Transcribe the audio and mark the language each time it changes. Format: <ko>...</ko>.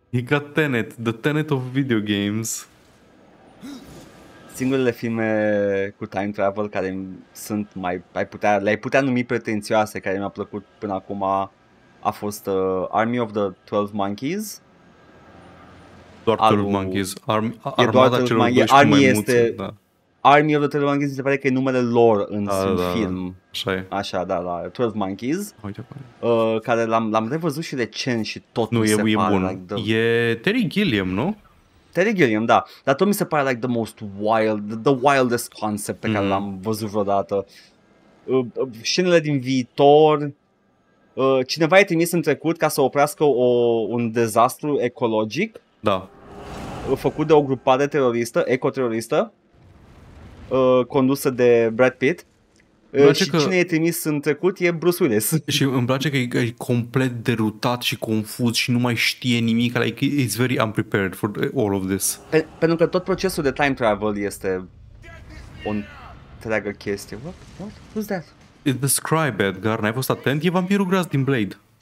<ro>E ca</ro> <en>Tenet, the Tenet of video games.</en> <ro>Singurele filme cu time travel care sunt mai... le-ai putea numi pretențioase, care mi-a plăcut până acum, a fost Army of the 12 Monkeys. Doar Turtle Monkeys, Army of the Turtle Monkeys, mi se pare că e numele lor în film. Așa e. Așa, da, 12 Monkeys. Uite, care l-am revăzut și recent și tot nu, mi se pare... Nu, e bun.</ro> <en>Like the...</en> <ro>E Terry Gilliam, nu? Terry Gilliam, da. Dar tot mi se pare</ro> <en>like the most wild, the wildest concept</en> <ro>pe care l-am văzut vreodată. Scenele din viitor... cineva e trimis în trecut ca să oprească un dezastru ecologic. Da. Făcut de o grupare teroristă, ecoteroristă, condusă de Brad Pitt. Și că... cine e trimis în trecut e Bruce Willis. Și îmi place că e complet derutat și confuz și nu mai știe nimic.</ro> <en>Like, it's very unprepared for all of this.</en> <ro>Pentru că tot procesul de time travel este o întreagă chestie.</ro> <en>What? Who's that? It's the scribe, Edgar.</en> <ro>N-ai fost atent? E vampirul gras din Blade.</ro>